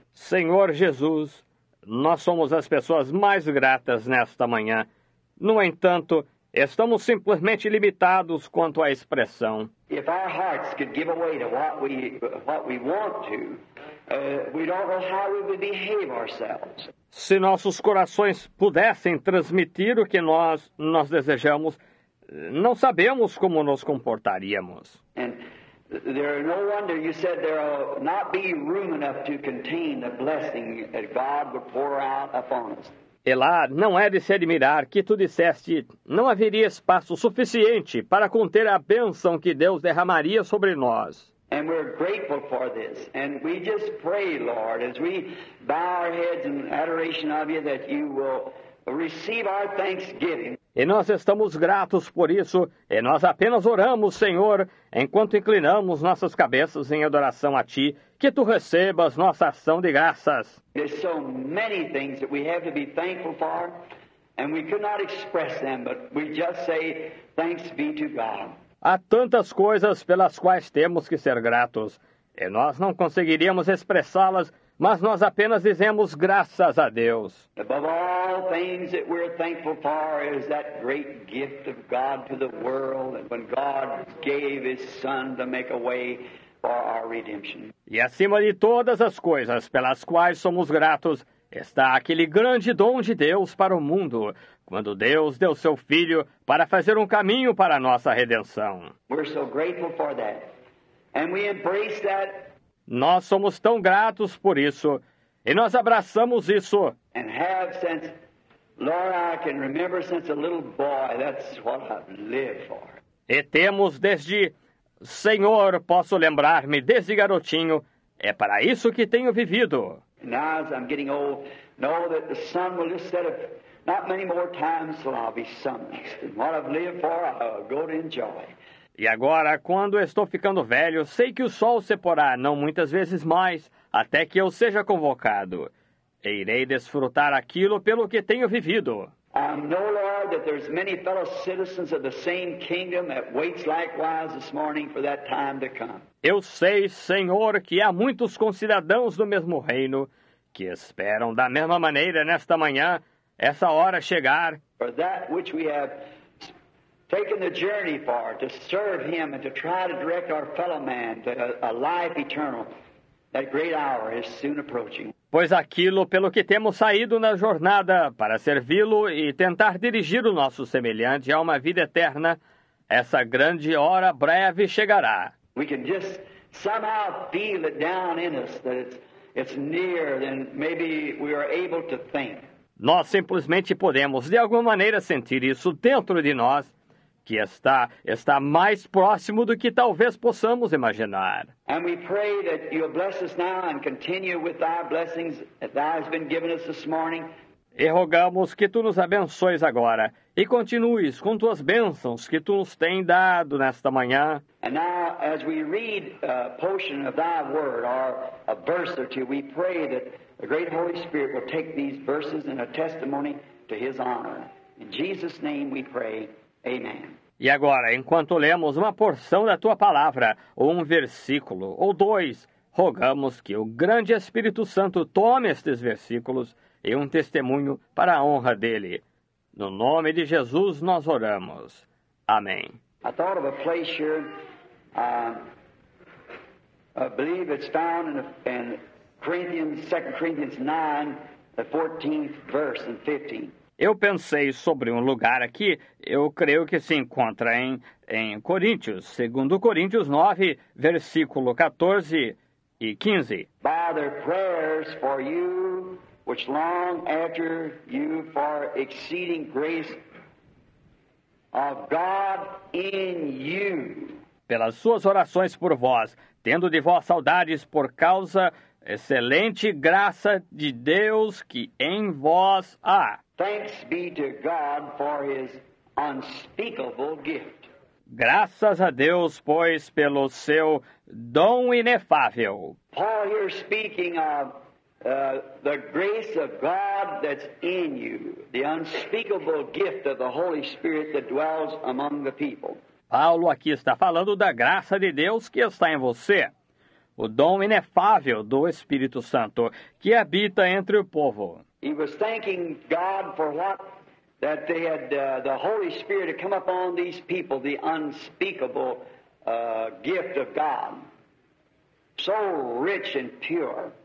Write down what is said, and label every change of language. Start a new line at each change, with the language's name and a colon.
Portuguese: Senhor Jesus, nós somos as pessoas mais gratas nesta manhã. No entanto, estamos simplesmente limitados quanto à expressão.
English: If our hearts could give away to what we want to, we don't know how we would behave ourselves.
Portuguese: Se nossos corações pudessem transmitir o que nós desejamos, não sabemos como nos comportaríamos.
English: And there is no wonder you said there will not be room enough to contain the blessing that God would pour out upon us.
Portuguese: E lá, não é de se admirar que tu disseste, não haveria espaço suficiente para conter a bênção que Deus derramaria sobre nós.
English: And we're grateful for this. And we just pray, Lord, as we bow our heads in adoration of you, that you will receive our thanksgiving.
Portuguese: E nós estamos gratos por isso, e nós apenas oramos, Senhor, enquanto inclinamos nossas cabeças em adoração a Ti, que Tu recebas nossa ação de graças.
English: There's so many things that we have to be thankful for, and we could not express them, but we just say, thanks be to God.
Portuguese: Há tantas coisas pelas quais temos que ser gratos, e nós não conseguiríamos expressá-las, mas nós apenas dizemos graças a Deus.
English: Above all things that we're thankful for is that great gift of God to the world, and when God gave His Son to make a way for our redemption.
Portuguese: E acima de todas as coisas pelas quais somos gratos, está aquele grande dom de Deus para o mundo, quando Deus deu Seu Filho para fazer um caminho para a nossa redenção.
English: We're so grateful for that, and we embrace that.
Portuguese: Nós somos tão gratos por isso, e nós abraçamos isso.
English: And have since, Lord, I can remember since a little boy, that's what I've lived for.
Portuguese: E temos desde, Senhor, posso lembrar-me desde garotinho, é para isso que tenho vivido.
English: Now as I'm getting old, know that the sun will just set up not many more times till I'll be summoned. And what I've lived for, I'll go to enjoy.
Portuguese: E agora, quando estou ficando velho, sei que o sol se porá, não muitas vezes mais, até que eu seja convocado. E irei desfrutar aquilo pelo que tenho vivido.
English: I know, Lord, that there's many fellow citizens of the same kingdom that waits likewise this morning for that time to come.
Portuguese: Eu sei, Senhor, que há muitos concidadãos do mesmo reino que esperam da mesma maneira nesta manhã, essa hora chegar.
English: For that which we have taking the journey for, to serve Him and to try to direct our fellow man to a life eternal, that great hour is soon approaching.
Portuguese: Pois aquilo pelo que temos saído na jornada para servi-lo e tentar dirigir o nosso semelhante a uma vida eterna, essa grande hora breve chegará.
English: We can just somehow feel it down in us that it's near, and maybe we are able to think.
Portuguese: Nós simplesmente podemos, de alguma maneira, sentir isso dentro de nós, que está mais próximo do que talvez possamos imaginar.
English: And we pray that you'll bless us now and continue with thy blessings that thou has been given us this morning.
Portuguese: E rogamos que tu nos abençoes agora e continues com tuas bênçãos que tu nos tens dado nesta manhã.
English: And now as we read a portion of thy word or a verse or two, we pray that the great Holy Spirit will take these verses in a testimony to his honor. In Jesus' name we pray.
Portuguese: E agora, enquanto lemos uma porção da Tua Palavra, ou um versículo, ou dois, rogamos que o grande Espírito Santo tome estes versículos e um testemunho para a honra dEle. No nome de Jesus nós oramos. Amém.
English: I thought of a place here, I believe it's found in Corinthians, 2 Corinthians 9, the 14th verse and 15.
Portuguese: Eu pensei sobre um lugar aqui, eu creio que se encontra em Coríntios, 2 Coríntios 9, versículo 14 e 15.
English: By their prayers for you, which long after you for exceeding grace of God in you.
Portuguese: Pelas suas orações por vós, tendo de vós saudades por causa excelente graça de Deus que em vós há.
English: Thanks be to God for his unspeakable gift.
Portuguese: Graças a Deus, pois, pelo seu dom inefável.
English: Paul, you're speaking of the grace of God that's in you, the unspeakable gift of the Holy Spirit that dwells among the people.
Portuguese: Paulo aqui está falando da graça de Deus que está em você, o dom inefável do Espírito Santo que habita entre o povo.
English: He was thanking God for what that they had the Holy Spirit had come upon these people, the unspeakable gift of God, so rich and pure.